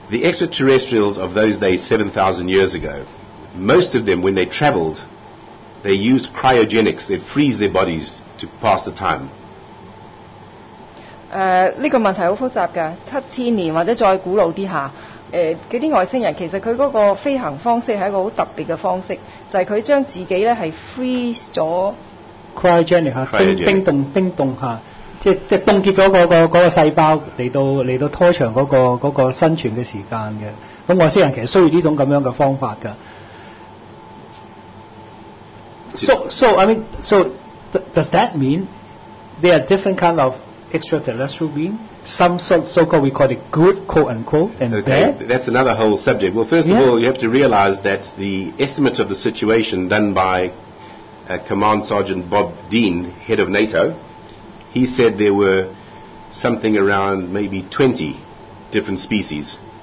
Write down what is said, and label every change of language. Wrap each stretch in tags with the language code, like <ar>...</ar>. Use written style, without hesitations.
<en>The extraterrestrials of those days, 7,000 years ago, most of them, when they traveled, they used cryogenics. They'd freeze their bodies to pass the time.</en> <zh>这个问题很复杂的，七千年或者再古老一下，那些外星人其实他那个飞行方式是一个很特别的方式，就是他将自己呢是 freeze 了 cryogenic 冰冻下，即冻结了那个细胞来到拖长那个生存的时间的，那外星人其实需要这种这样的方法的。</zh> <en>So does that mean there are different kind ofextraterrestrial being, some so-called, we call it good, quote-unquote, and okay, bad? That's another whole subject. Well, first of all, you have to realize that the estimate of the situation done by Command Sergeant Bob Dean, head of NATO, he said there were something around maybe 20 different species.</en>